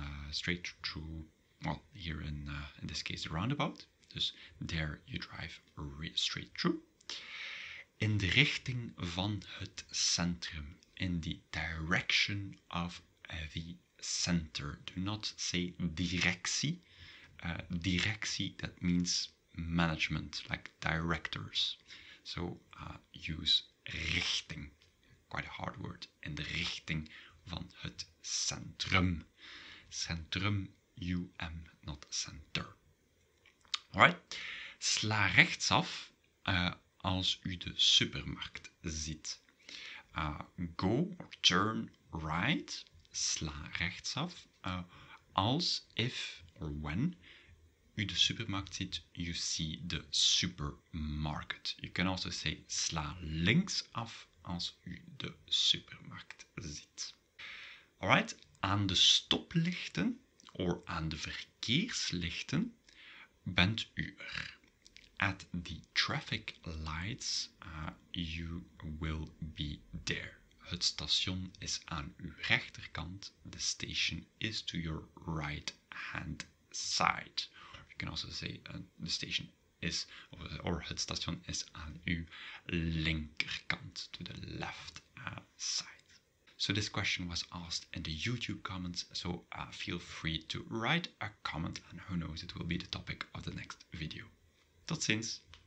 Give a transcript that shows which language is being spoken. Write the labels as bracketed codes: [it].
[en] Straight through, well, here in this case, the roundabout. Dus there, you drive straight through. [nl] In de richting van het centrum. [en] In the direction of the center. Do not say directie. Directie, that means management, like directors. So use richting. Quite a hard word. [nl] In de richting van het centrum. [en] Centrum, U-M, not center. Alright. [nl] Sla rechtsaf als u de supermarkt ziet. [en] Go or turn right. [nl] Sla rechtsaf. [en] Als, if, or when [nl] u de supermarkt ziet, [en] you see the supermarket. You can also say [nl] sla links af als u de supermarkt ziet. Alright, aan de stoplichten or aan de verkeerslichten bent u er. [en] At the traffic lights, you will be there. [nl] Het station is aan uw rechterkant. [en] The station is to your right hand side. You can also say the station is, or [nl] het station is aan uw linkerkant, [en] to the left side. So this question was asked in the YouTube comments, so feel free to write a comment, and who knows, it will be the topic of the next video. [nl] Tot ziens!